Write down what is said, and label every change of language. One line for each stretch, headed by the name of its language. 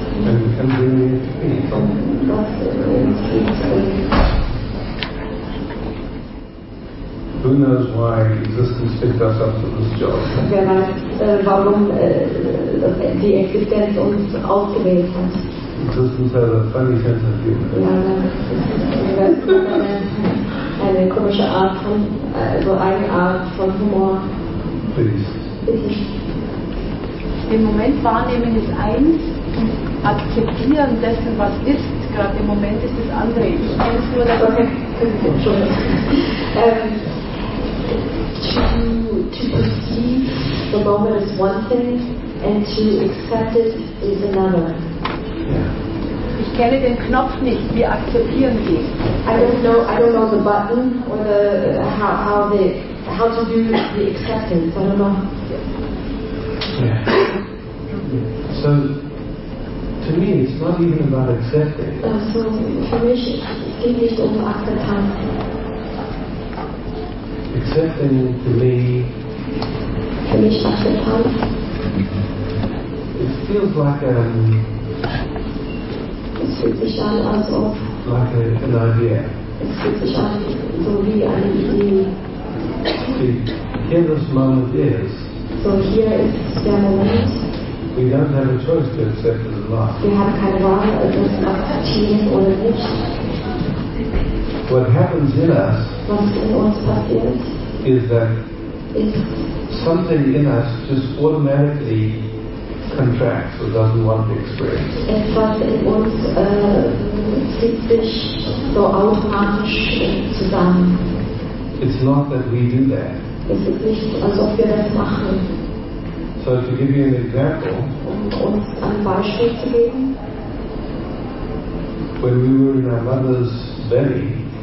English: And we can bring it to peace.
German: Das ist
English: who knows why existence picked us up for this job?
German: Wer weiß, warum die Existenz uns ausgewählt hat?
English: Existence has a funny sense of humor.
German: Ja, eine komische Art von, also eine Art von Humor.
English: Please.
German: Im Moment wahrnehmen ist eins und akzeptieren dessen, was ist, gerade im Moment ist das andere. Ich kenne es nur, dass
English: to perceive the moment is one thing and to accept it is another. Yeah.
German: Ich kenne den Knopf nicht, wie akzeptieren sie.
English: I don't know the button or the how to do the acceptance. I don't know. Yeah. So to me it's not even about accepting.
German: So für mich geht nicht um Akzeptanz.
English: Accepting to me.
German: Für mich Akzeptanz.
English: It feels like a.
German: Es fühlt sich an, als ob.
English: Like an idea.
German: Es fühlt sich an, so wie eine Idee.
English: See, here this moment is.
German: So hier ist der Moment.
English: We don't have a choice to accept it as life.
German: Wir haben keine Wahl, ob es akzeptieren oder nicht.
English: What happens in us,
German: was in uns passiert,
English: is that something in us just automatically contracts or doesn't want to experience.
German: Etwas in uns zieht sich so automatisch zusammen.
English: It's not that we do that.
German: Es ist nicht, als ob wir das machen.
English: So to give you an example,
German: uns ein Beispiel zu geben,
English: when we were in our mother's belly,